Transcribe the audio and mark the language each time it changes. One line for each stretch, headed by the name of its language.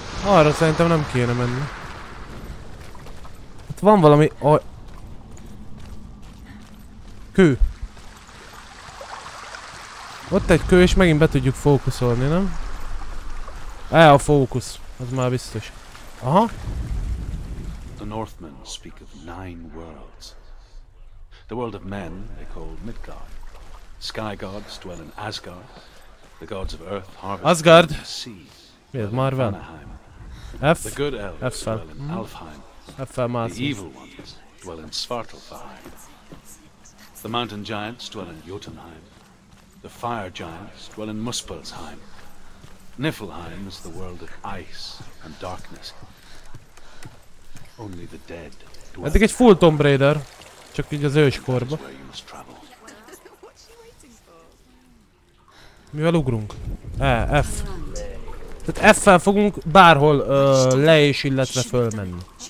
Hungarian: Arra szerintem nem kéne menni. Hát van valami... Kő. Ott egy kő, és megint be tudjuk fókuszolni, nem? A fókusz. Az már biztos. Aha.
English: The Northmen speak of nine worlds. The world of men they call Midgard. Sky gods dwell in Asgard. The gods of Earth harvest. Asgard. Yes, Marvel. F. The good elves dwell in Alfheim. F-Mars. The evil ones dwell in Svartalfheim. The mountain giants dwell in Jotunheim. The fire giants dwell in Muspelheim. Niflheim is the world of ice and darkness. Only the dead dwell.
Hungarian: Eddig egy full Tomb Raider, csak így az őskorba. Mivel ugrunk? F. Tehát F-fel fogunk bárhol le és illetve fölmenni.